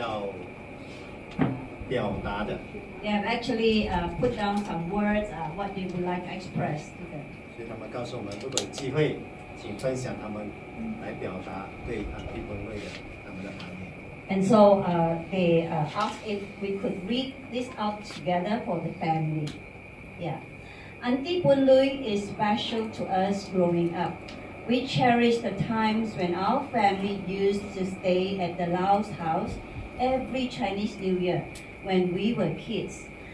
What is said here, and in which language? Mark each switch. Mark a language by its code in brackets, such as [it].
[zh] 他们就自己写了一些他们要表达的。 [en] They have actually put down some words what they would like to express to them. [zh] 所以他们告诉我们，如果有机会，请分享他们来表达对安定不瑞的他们的怀念。 [en] And so they asked if we could read this out together for the family. Yeah. Auntie Boon Lui is special to us growing up. We cherish the times when our family used to stay at the Lao's house every Chinese New Year when we were kids.